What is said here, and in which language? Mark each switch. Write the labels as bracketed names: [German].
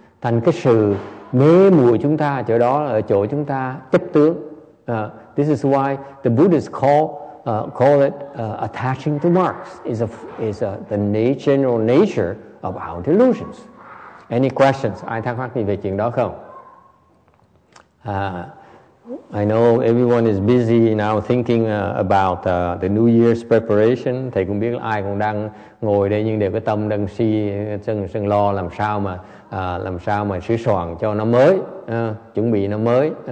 [English] Thành cái sự mê muội chúng ta chỗ đó là chỗ chúng ta chấp tướng. This is why the Buddhists call it attaching to marks is the general nature of our delusions. Any questions? [Vietnamese] Ai thắc mắc gì về chuyện đó không? [English] I know everyone is busy now thinking about the New Year's preparation. [Vietnamese] Thầy cũng biết ai cũng đang ngồi đây nhưng đều cái tâm đang si sân lo làm sao mà sửa soạn cho năm mới, chuẩn bị năm mới.